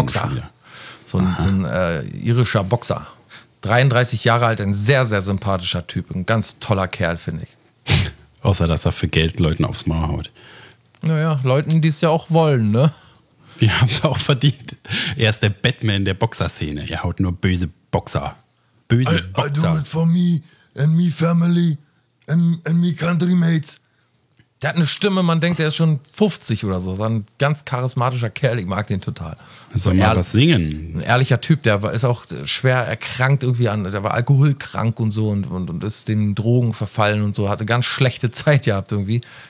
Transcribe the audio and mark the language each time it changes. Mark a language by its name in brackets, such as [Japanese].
[German] Boxer. So ein irischer Boxer. 33 Jahre alt, ein sehr, sehr sympathischer Typ. Ein ganz toller Kerl, finde ich. Außer, dass er für Geld Leuten aufs Maul haut. Naja, Leuten, die es ja auch wollen, ne? Wir haben es auch verdient. Er ist der Batman der Boxerszene. Er haut nur böse Boxer. Böse Boxer. [English] I do it for me and me family and me country mates. [German] Der hat eine Stimme, man denkt, der ist schon 50 oder so. So ein ganz charismatischer Kerl, ich mag den total. Soll mal was singen? Ein ehrlicher Typ, der ist auch schwer erkrankt irgendwie an, der war alkoholkrank und so und ist den Drogen verfallen und so, hatte ganz schlechte Zeit gehabt irgendwie.